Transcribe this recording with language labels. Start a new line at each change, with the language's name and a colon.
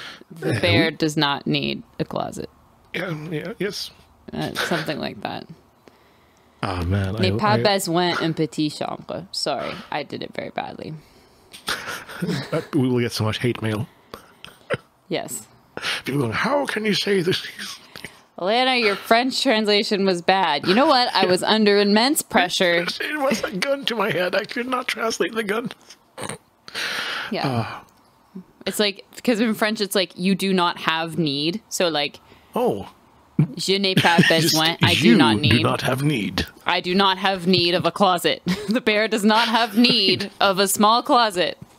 English: The bear does not need a closet. Yes. Something like that. Ah, man.
French: N'est pas besoin un petit chambre.
English: Sorry, I did it very badly. We will get so much hate mail. Yes. People going, how can you say this? Alanna, your French translation was bad. You know what? I was under immense pressure. It was a gun to my head. I could not translate the gun. Yeah. It's like, because in French, it's like, you do not have need. So like,
French: je n'ai pas besoin.
English: You do not have need. I do not have need of a closet. The bear does not have need of a small closet.